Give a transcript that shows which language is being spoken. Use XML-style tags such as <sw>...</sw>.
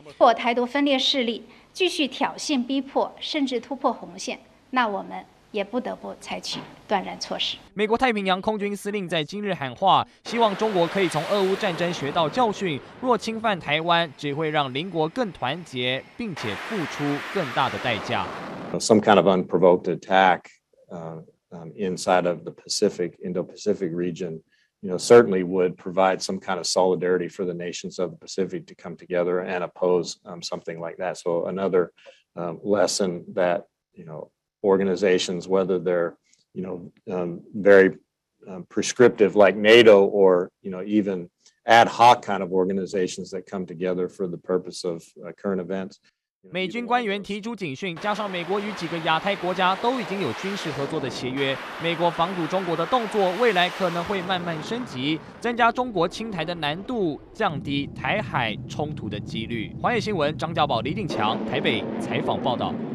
<zh>如果台独分裂势力继续挑衅逼迫，甚至突破红线，那我们也不得不采取断然措施。美国太平洋空军司令在今日喊话，希望中国可以从俄乌战争学到教训，若侵犯台湾，只会让邻国更团结，并且付出更大的代价。</zh> <en>Some kind of unprovoked attack inside of the Pacific, Indo-Pacific region, you know, certainly would provide some kind of solidarity for the nations of the Pacific to come together and oppose something like that. So another lesson that, you know,organizations, whether they're, you know, very prescriptive like NATO or, you know, even ad hoc kind of organizations that come together for the purpose of current events.</en> <zh>美军官员提出警讯，加上美国与几个亚太国家都已经有军事合作的协约，美国防堵中国的动作未来可能会慢慢升级，增加中国侵台的难度，降低台海冲突的几率。华视新闻张家宝、李定强台北采访报道。</zh>